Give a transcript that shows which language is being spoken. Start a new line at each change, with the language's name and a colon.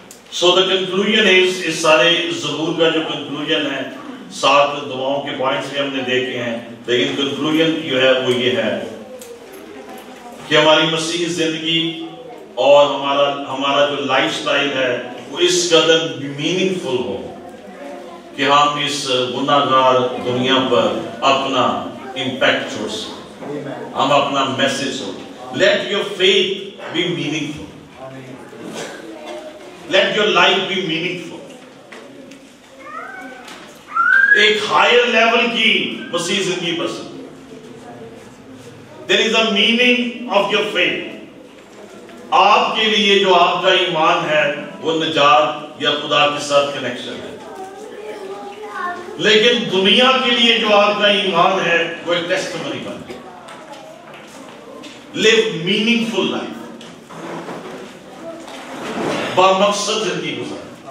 English: So the conclusion is,
Urdu: اس سارے زبور کا جو conclusion ہے, سات دعاؤں کے پوائنٹس بھی ہم نے دیکھے ہیں, لیکن conclusion جو ہے وہ یہ ہے کہ ہماری مسیحی زندگی اور ہمارا جو لائف سٹائل ہے وہ اس قدر میننگ فل ہو کہ ہم اس گناہگار دنیا پر اپنا امپیکٹ چھوڑ سکیں, ہم اپنا message ہو.
English: Let your faith be meaningful. Let your life be meaningful.
Urdu: ایک ہائر لیول کی مسیح زندگی پسند.
English: There is a meaning of your faith.
Urdu: آپ کے لیے جو آپ کا ایمان ہے وہ نجات یا خدا کے ساتھ کنیکشن ہے. لیکن دنیا کے لیے جو آپ کا ایمان ہے وہ ایک ٹیسٹیمونی بن گیا.
English: live meaningful life,
Urdu: با مقصد زندگی گزار.